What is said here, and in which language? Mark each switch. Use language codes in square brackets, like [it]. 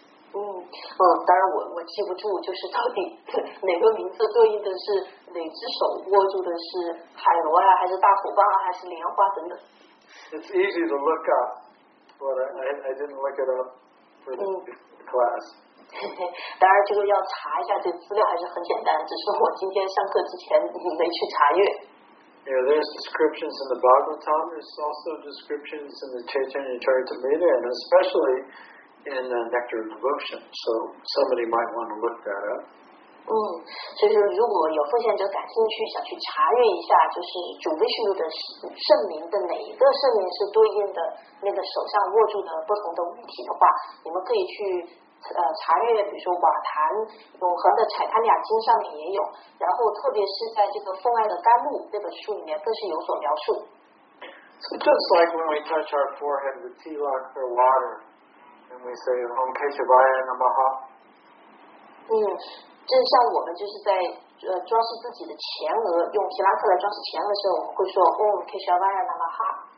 [zh] 当然我记不住，就是到底哪个名字对应的是哪只手握住的是海螺啊，还是大鼓棒啊，还是莲花等等。 [en] It's easy to look up, but I didn't look it up for the class. [zh] 当然，这个要查一下，这资料还是很简单，只是我今天上课之前没去查阅。 [en] Yeah, there's descriptions in the Bhagavatam. There's also descriptions in the Chaitanya Charitamrita, and especially. In the Nectar of Devotion, so somebody might want to look that up. [zh] 就是如果有奉献者感兴趣，想去查阅一下，就是主 Vishnu 的圣名的哪一个圣名是对应的那个手上握住的不同的物体的话，你们可以去查阅，比如说瓦坛永恒的彩檀俩经上面也有，然后特别是在这个奉爱的甘露这本书里面更是有所描述。 [en] So just like when we touch our forehead with tilak or water. And we say, Om Keshavaya Namaha. [zh] 就像我们就是在装饰自己的前额，用提拉克来装饰前额的时候，我们会说 Om Keshavaya Namaha.